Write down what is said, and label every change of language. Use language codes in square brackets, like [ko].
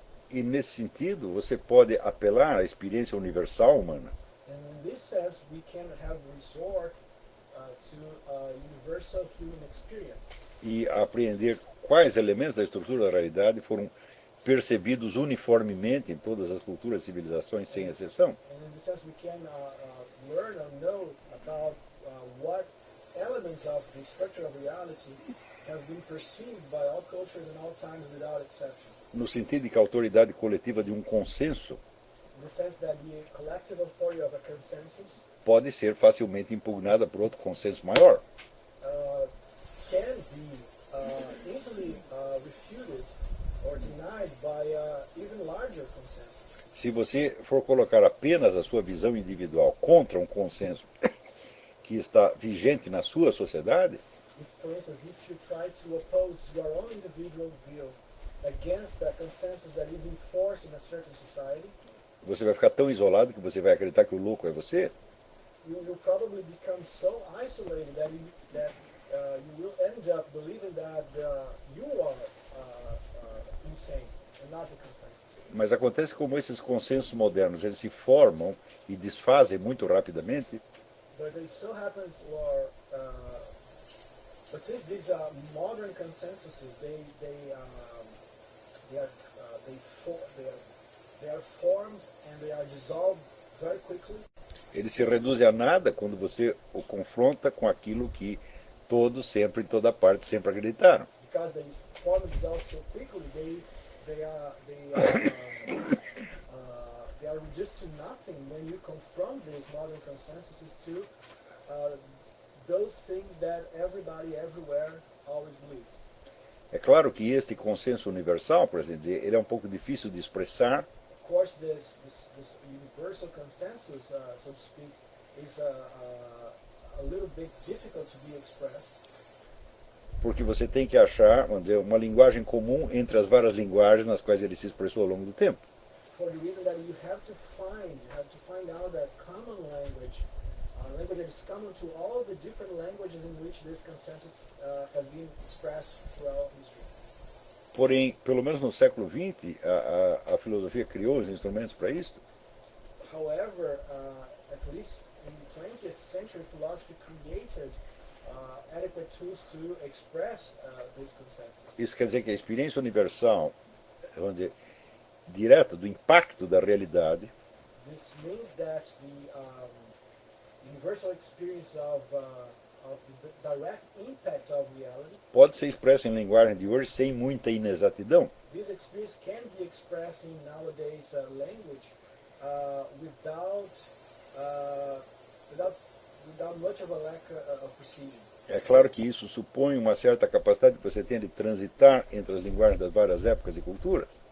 [pt] E nesse sentido, você pode apelar à experiência universal humana. [en] And in this sense, we can have resort to a universal human experience. [pt] E apreender quais elementos da estrutura da realidade foram percebidos uniformemente em todas as culturas e civilizações, sem exceção. [en] And in this sense, we can learn or know about what elements of the structure of reality have been perceived by all cultures and all times without exception. [pt] No sentido de que a autoridade coletiva de um consenso, [en] in the sense that the collective authority of a consensus, [pt] pode ser facilmente impugnada por outro consenso maior. [en] Can be easily refuted or denied by an even larger consensus. [pt] Se você for colocar apenas a sua visão individual contra um consenso que está vigente na sua sociedade, [en] if, for instance, if you try to oppose your own individual view against a consensus that is enforced in a certain society, [pt] você vai ficar tão isolado que você vai acreditar que o louco é você. [en] You will probably become so isolated that you will end up believing that you are insane and not the consensus. [pt] Mas acontece como esses consensos modernos, eles se formam e desfazem muito rapidamente. [en] But it so happens, or but since these modern consensuses, they are formed and they are dissolved very quickly. [pt] Eles se reduzem a nada quando você o confronta com aquilo que todos, sempre, em toda parte, sempre acreditaram. [en] Because they form themselves so quickly, they are reduced to nothing when you confront these modern consensuses to those things that everybody, everywhere, always believed. [pt] É claro que este consenso universal, por assim dizer, ele é um pouco difícil de expressar. [en] Of course, this universal consensus, so to speak, is a little bit difficult to be expressed. [pt] Porque você tem que achar, vamos dizer, uma linguagem comum entre as várias linguagens nas quais ele se expressou ao longo do tempo. [en] For the reason that you have to find out that common language, a language that is common to all the different languages in which this consensus has been expressed throughout history. [pt] Porém, pelo menos no século XX, a filosofia criou os instrumentos para isto. [en] However, at least in the 20th century, philosophy created adequate tools to express this consensus. [pt] Isso quer dizer que a experiência universal, vamos dizer, direta do impacto da realidade. [en] This means that the universal experience of the direct impact of reality [pt] pode ser expressa em linguagem de hoje sem muita inexatidão. [en] This experience can be expressed in nowadays language without much of a lack of precision. [pt] É claro que isso supõe uma certa capacidade que você tem de transitar entre as linguagens das várias épocas e culturas.